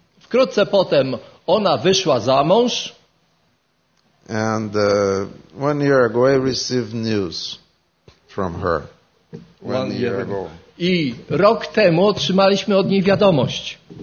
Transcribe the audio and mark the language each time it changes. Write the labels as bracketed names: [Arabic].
[Polish] Wkrótce potem ona wyszła za mąż. [English] And one year ago I received news from her. One year ago. [Polish] I rok temu otrzymaliśmy od niej wiadomość.